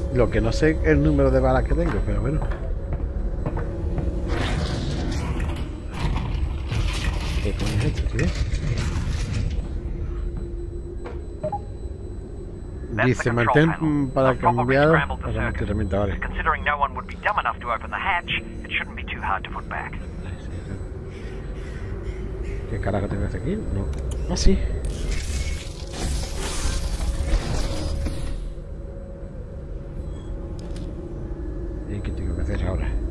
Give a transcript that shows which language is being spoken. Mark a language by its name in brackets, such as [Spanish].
[Spanish] Que no sé el número de balas que tengo, pero bueno. ¿Qué coño es esto, tío? Dice, mantén para cambiar el entrenamiento, vale. [English] Considering no one would be dumb enough to open the hatch, it shouldn't be too hard to put back. [Spanish] ¿Qué carajo tengo que hacer aquí? No. Ah, sí. ¿Y qué tengo que hacer ahora?